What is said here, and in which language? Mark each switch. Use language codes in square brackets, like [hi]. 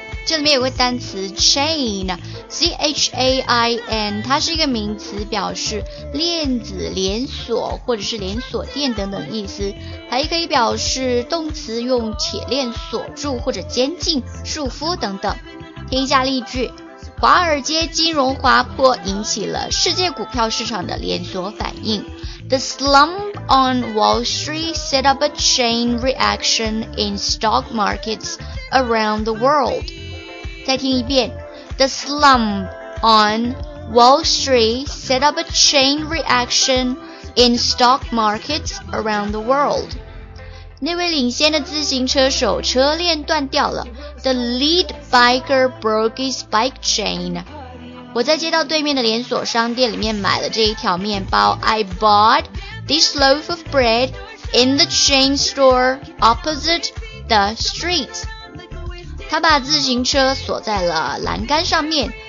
[zh] 这里面有个单词 chain， C-H-A-I-N， 它是一个名词，表示链子、连锁或者是连锁店等等意思，还可以表示动词，用铁链锁住或者监禁、束缚等等。听一下例句，华尔街金融滑坡引起了世界股票市场的连锁反应。 [en] The slump on Wall Street set up a chain reaction in stock markets around the world. [zh] 再听一遍， [en] The slump on Wall Street set up a chain reaction in stock markets around the world. [zh] 那位领先的自行车手车链断掉了。 [en] The lead biker broke his bike chain. [zh] 我在街道对面的连锁商店里面买了这一条面包。 [en] I bought this loaf of bread in the chain store opposite the street. [zh] 她把自行车锁在了栏杆上面。